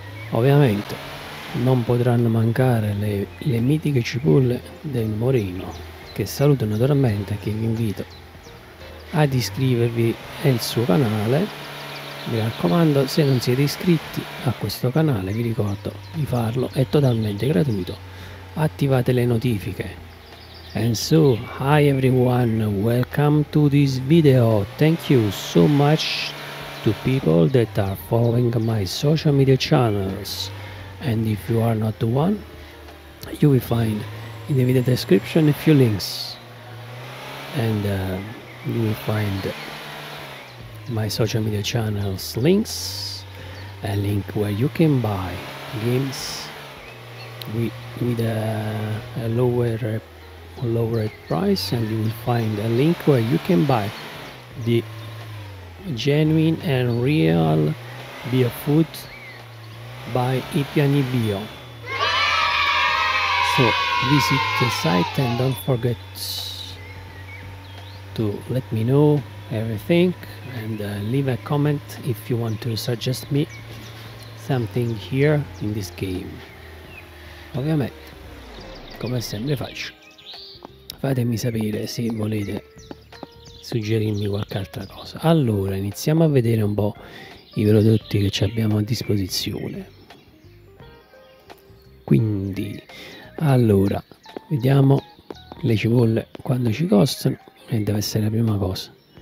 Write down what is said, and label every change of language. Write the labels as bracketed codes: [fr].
[it] Ovviamente non potranno mancare le mitiche cipolle del Morino, che saluto naturalmente, che vi invito ad iscrivervi al suo canale. Mi raccomando, se non siete iscritti a questo canale vi ricordo di farlo, è totalmente gratuito, attivate le notifiche. [en] And so, hi everyone, welcome to this video, thank you so much to people that are following my social media channels, and if you are not the one, you will find in the video description a few links, and you will find my social media channels links, a link where you can buy games with a lower price, and you will find a link where you can buy the genuine and real bio food by I Piani Bio. So visit the site and don't forget to let me know everything, and leave a comment if you want to suggest me something here in this game. [it] Ovviamente, come sempre faccio, fatemi sapere se volete suggerirmi qualche altra cosa. Allora, iniziamo a vedere un po' i prodotti che ci abbiamo a disposizione. Quindi, allora, vediamo le cipolle quando ci costano, e deve essere la prima cosa.